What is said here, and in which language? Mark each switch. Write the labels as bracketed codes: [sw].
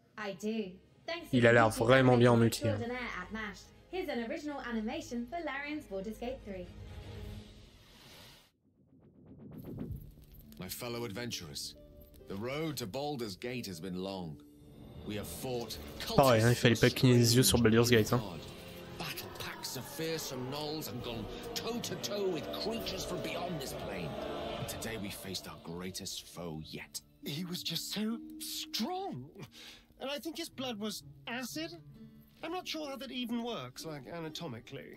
[en] I do. Thanks. [fr] Il a l'air vraiment bien en multi. [en] Here's an original animation for Larian's Baldur's Gate 3. My fellow adventurers, the road to Baldur's Gate has been long. We have fought. [fr] Oh, il fallait pas cligner les yeux sur Baldur's Gate, hein. [en] Battle packs of fearsome gnolls and gone toe to toe with creatures from beyond this plane. Today we faced our greatest foe yet. He was just so strong. And I think his blood was acid. I'm not sure how that even works, like anatomically.